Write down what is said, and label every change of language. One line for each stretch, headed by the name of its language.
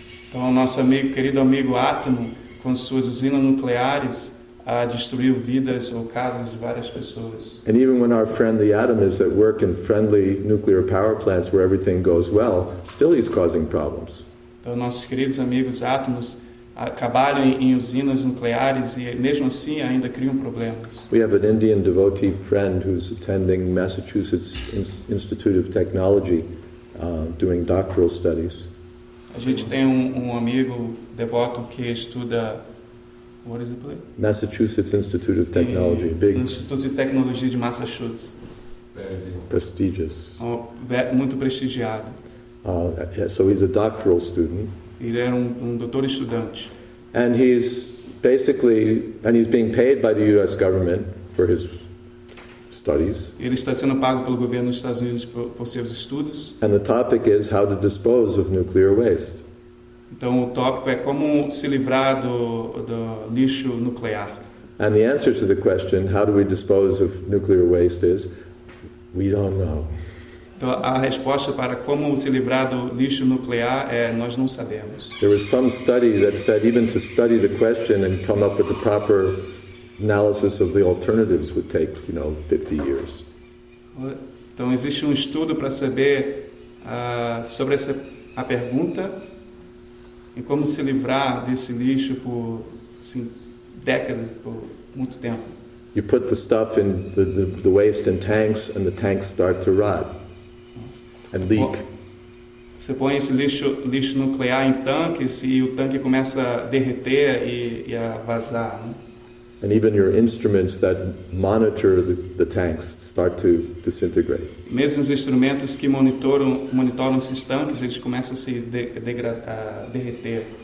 Portuguese: Então nosso amigo, querido amigo Átomo, com suas usinas nucleares, destruiu vidas ou casas de várias pessoas.
English: And even when our friend the Atom is at work in friendly nuclear power plants where everything goes well, still he's causing problems.
Portuguese: Então nossos queridos amigos Átomos trabalham em usinas nucleares e mesmo assim ainda criam problemas.
English: We have an Indian devotee friend who's attending Massachusetts Institute of Technology doing doctoral studies.
Portuguese: A gente tem um amigo devoto que estuda,
English: what is it called? Massachusetts Institute of Technology,
Portuguese: big Instituto de Tecnologia de Massachusetts.
English: Prestigious.
Portuguese: Muito prestigiado.
English: So he's a doctoral student.
Portuguese: Ele era um doutor estudante.
English: And he's basically, and he's being paid by the U.S. government for his studies.
Portuguese: Ele está sendo pago pelo governo dos Estados Unidos por seus estudos.
English: And the topic is how to dispose of nuclear waste.
Portuguese: Então o tópico é como se livrar do lixo nuclear.
English: And the answer to the question, how do we dispose of nuclear waste, is we don't know.
Portuguese: Então, a resposta para como se livrar do lixo nuclear é nós não sabemos.
English: There was some study that said even to study the question and come up with the proper analysis of the alternatives would take, you know, 50 years.
Portuguese: Então existe um estudo para saber sobre essa a pergunta e como se livrar desse lixo por assim, décadas, por muito tempo.
English: You put the stuff in the waste in tanks and the tanks start to rot. And leak.
Portuguese: Você põe esse lixo nuclear em tanques e o tanque começa a derreter e a vazar. Né?
English: And even your instruments that monitor the tanks start to disintegrate.
Portuguese: Mesmo os instrumentos que monitoram esses tanques, eles começam a se derreter.